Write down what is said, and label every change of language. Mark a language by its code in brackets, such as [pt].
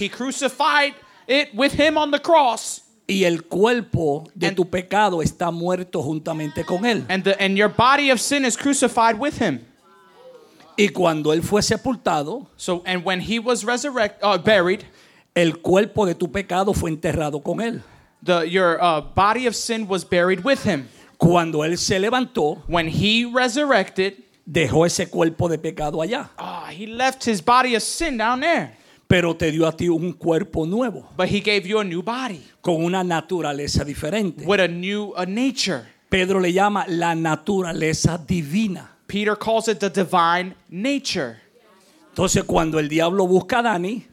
[en] He crucified it with him on the cross. [es] Y el cuerpo de tu pecado está muerto juntamente con él. [en] And your body of sin is crucified with him. [es] Y cuando él fue sepultado. [en] So, and when he was buried. [es] El cuerpo de tu pecado fue enterrado con él. [en] Your body of sin was buried with him. [es] Cuando él se levantó, [en] when he resurrected, [es] dejó ese cuerpo de pecado allá. [en] He left his body of sin down there. [es] Pero te dio a ti un cuerpo nuevo. [en] But he gave you a new body. [es] Con una naturaleza diferente. [en] With a new nature. [es] Pedro le llama la naturaleza divina. [en] Peter calls it the divine nature. [es] Entonces cuando el diablo busca a Danny,